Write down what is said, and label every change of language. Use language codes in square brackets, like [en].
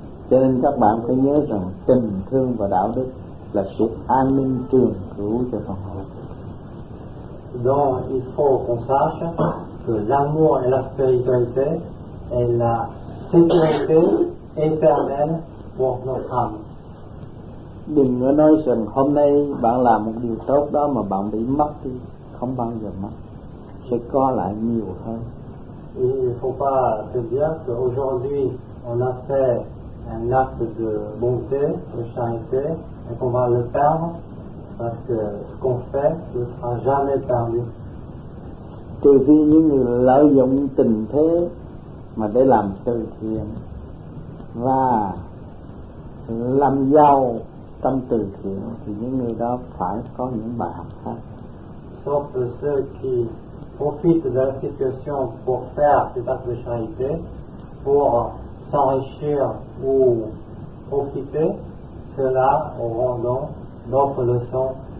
[vi] Cho nên các bạn phải nhớ rằng tình thương và đạo đức là sự an ninh trường cửu cho phần hồn. [fr] Donc il faut qu'on sache que l'amour et la spiritualité est la sécurité éternelle pour notre âme. [vi] Đừng có nói rằng hôm nay bạn làm một điều tốt đó mà bạn bị mất đi, không bao giờ mất, sẽ có lại nhiều hơn. [fr] Il ne faut pas te dire qu'aujourd'hui on a fait un acte de bonté, de charité, et qu'on va le perdre, parce que ce qu'on fait ne sera jamais perdu. [vi] Trừ khi những người lợi dụng tình thế mà để làm từ thiện và làm giàu tâm từ thiện thì những người đó phải có những bài học khác. [fr] Sauf que ceux qui profite de la situation pour faire des actes de charité, pour s'enrichir ou profiter, cela auront donc d'autres leçons.